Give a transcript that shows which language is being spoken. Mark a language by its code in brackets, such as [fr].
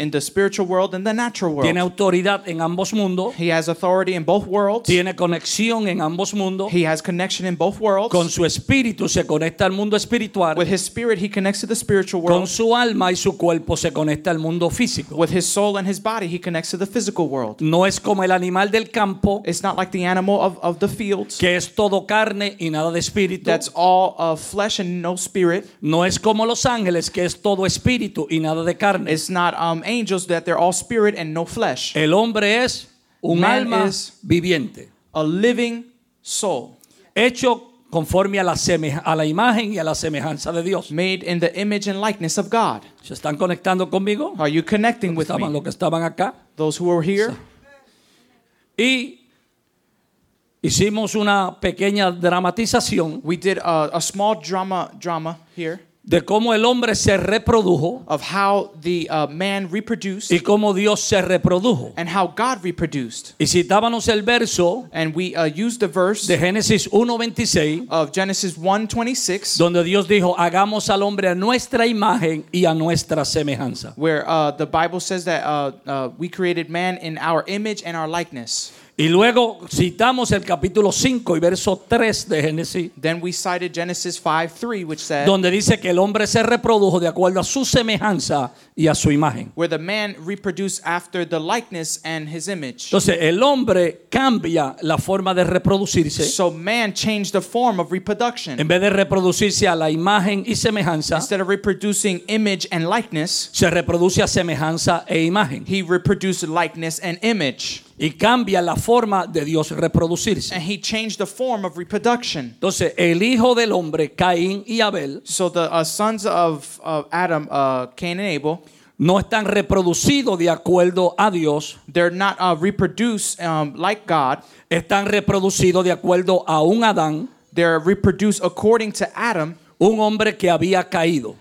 [en] In the spiritual world and the natural world. [es] Tiene autoridad en ambos mundos. [en] He has authority in both worlds. [es] Tiene conexión en ambos mundos. [en] He has connection in both worlds. [es] Con su espíritu se conecta al mundo espiritual. [en] With his spirit he connects to the spiritual world. [es] Con su alma y su cuerpo se conecta al mundo físico. [en] With his soul and his body he connects to the physical world. [es] No es como el animal del campo. [en] It's not like the animal of the fields. [es] Que es todo carne y nada de espíritu. [en] That's all of flesh and no spirit. [es] No es como los ángeles que es todo espíritu y nada de carne. [en] It's not angels that they're all spirit and no flesh. [es] El hombre es un alma viviente. [en] A living soul. [es] Hecho conforme a la imagen y a la semejanza de Dios. [en] Made in the image and likeness of God. [es] ¿Se están conectando conmigo? [en] Are you connecting with me? [es] Los que estaban acá. [en] Those who were here. [es] Y hicimos una pequeña dramatización. [en] We did a small drama here. [es] De cómo el hombre se reprodujo. [en] Of how the man reproduced. [es] Y cómo Dios se reprodujo. [en] And how God reproduced. [es] Y citábamos el verso. [en] And we used the verse. [es] De Génesis 1:26. [en] Of Genesis 1:26. [es] Donde Dios dijo, hagamos al hombre a nuestra imagen y a nuestra semejanza. [en] Where the Bible says that we created man in our image and our likeness. [es] Y luego citamos el capítulo 5 y verso 3 de Génesis. [en] Then we cited Genesis 5:3, which said, [es] donde dice que el hombre se reprodujo de acuerdo a su semejanza y a su imagen. [en] Where the man reproduced after the likeness and his image. [es] Entonces el hombre cambia la forma de reproducirse. [en] So man changed the form of reproduction. [es] En vez de reproducirse a la imagen y semejanza, [en] instead of reproducing image and likeness, [es] se reproduce a semejanza e imagen. [en] He reproduced likeness and image. [es] Y cambia la forma de Dios reproducirse. [en] And he changed the form of reproduction. [es] Entonces, el hijo del hombre, Caín y Abel, [en] so the sons of Adam, Cain and Abel, [es] no están reproducidos de acuerdo a Dios. [en] They're not reproduced like God. [es] Están reproducidos de acuerdo a un Adán. [en] They're reproduced according to Adam. [es] Un hombre que había caído.